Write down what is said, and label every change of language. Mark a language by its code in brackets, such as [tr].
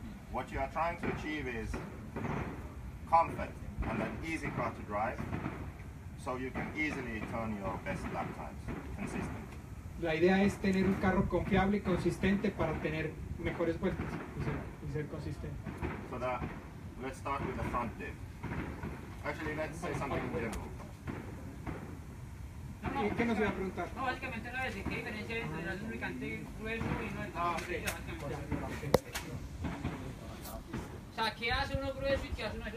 [en] What you are trying to achieve is comfort and an easy car to drive, so you can easily turn your best lap times consistent. [es] La idea es tener un carro confiable y consistente para tener mejores vueltas y ser consistente. [en] So that, let's start with the front dip. Actually, let's say something in general. [es] No, ¿qué nos iba a preguntar? No, básicamente la diferencia entre un lubricante grueso y no. Ah, okay. O sea, ¿qué hace uno grueso y qué hace uno